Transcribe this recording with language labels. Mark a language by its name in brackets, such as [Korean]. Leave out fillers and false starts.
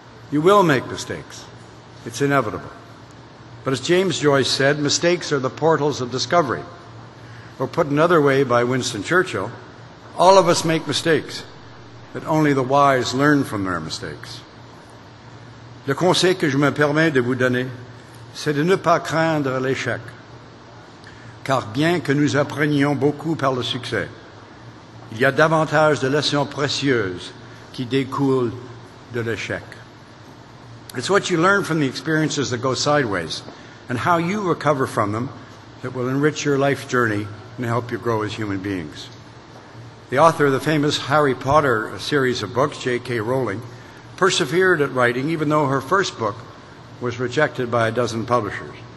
[English] You will make mistakes. It's inevitable. But as James Joyce said, mistakes are the portals of discovery. Or put another way by Winston Churchill, all of us make mistakes, but only the wise learn from their mistakes. [French] Le conseil que je me permets de vous donner, c'est de ne pas craindre l'échec. Car bien que nous apprenions beaucoup par le succès, il y a davantage de leçons précieuses qui découlent de l'échec. [English] It's what you learn from the experiences that go sideways and how you recover from them that will enrich your life journey and help you grow as human beings. The author of the famous Harry Potter series of books, J.K. Rowling, persevered at writing even though her first book was rejected by a dozen publishers.